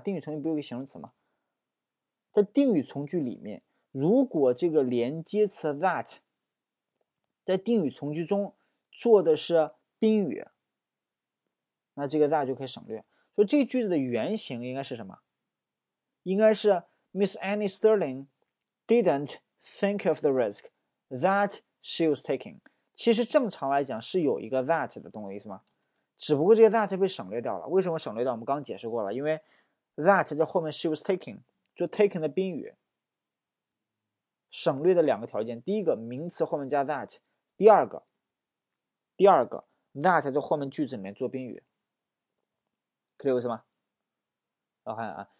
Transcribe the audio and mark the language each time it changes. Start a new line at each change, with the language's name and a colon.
Chinese: 定语从句不有个形容词吗？在定语从句里面，如果这个连接词 that 在定语从句中做的是宾语，那这个 that 就可以省略。说这句子的原型应该是什么？应该是 Miss Annie Sterling。
English: Didn't think of the risk that she was taking。
Chinese: 其实正常来讲是有一个 that 的，懂我意思吗？只不过这个 that 被省略掉了。为什么省略掉？我们刚解释过了，因为 that 在后面
English: she was taking
Chinese: 就 taking 的宾语，省略的两个条件：第一个名词后面加 that，第二个 that 在后面句子里面做宾语，可以有意思吗？我看啊。